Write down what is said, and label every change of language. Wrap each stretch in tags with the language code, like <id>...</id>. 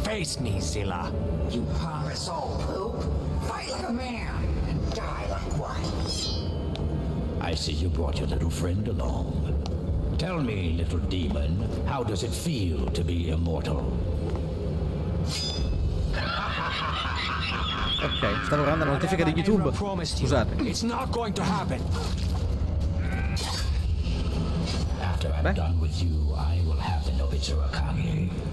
<en>Face me, Zilla. You harmless old poop. Fight like a man and die like one. I see you brought your little friend along. Tell me, little demon, how does it feel to be immortal?</en> <it>Ok, sta lavorando la notifica di YouTube. Scusate.</it> <en>It's not going to happen. After I'm done with you, I will have the Nobitsurakage.</en>